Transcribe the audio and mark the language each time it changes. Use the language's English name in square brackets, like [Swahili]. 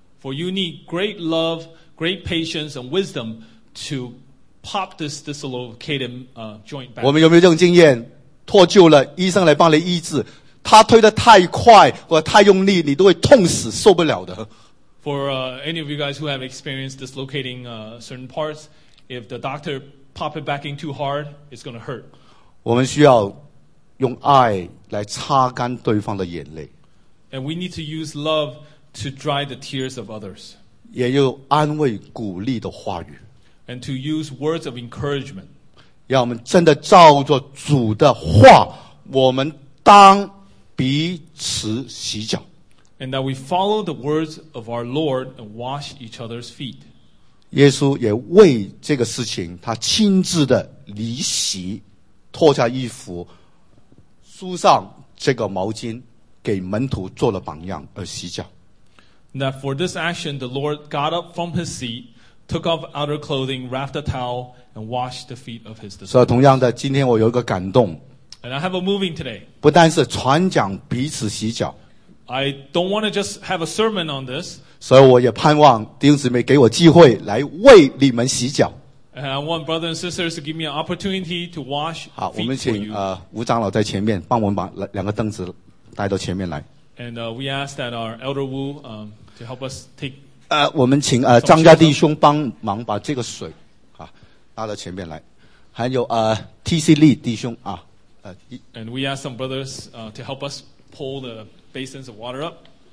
[English] For you need great love, great patience, and wisdom to. Pop this dislocated joint back. [Chinese] 我们有没有这种经验？脱臼了，医生来帮你医治，他推得太快或太用力，你都会痛死，受不了的。 [English] For any of you guys who have experienced dislocating certain parts, if the doctor pop it back in too hard, it's going to hurt. [Chinese] 我们需要用爱来擦干对方的眼泪。 [English] And we need to use love to dry the tears of others. [Chinese] 也有安慰鼓励的话语。 [English] And to use words of encouragement. [Chinese] 让我们真的照着主的话，我们当彼此洗脚。 [English] And that we follow the words of our Lord and wash each other's feet. [Chinese] 耶稣也为这个事情，他亲自的离席，脱下衣服，梳上这个毛巾，给门徒做了榜样而洗脚。 [English] That for this action, the Lord got up from his seat. Took off outer clothing, wrapped a towel, and washed the feet of his disciples. [Chinese] 所以同样的，今天我有一个感动。 [English] And I have a moving today. [Chinese] 不单是传讲彼此洗脚。 [English] I don't want to just have a sermon on this. [Chinese] 所以我也盼望弟兄姊妹给我机会来为你们洗脚。 [English] And I want brothers and sisters to give me an opportunity to wash feet for you. [Chinese] 好，我们请吴长老在前面，帮我们把两个凳子带到前面来。 [English] And we ask that our elder Wu to help us take. [Chinese] 我们请张家弟兄帮忙把这个水啊拿到前面来，还有TC Lee弟兄啊 [English] And we ask some brothers to help us pull the basins of water up.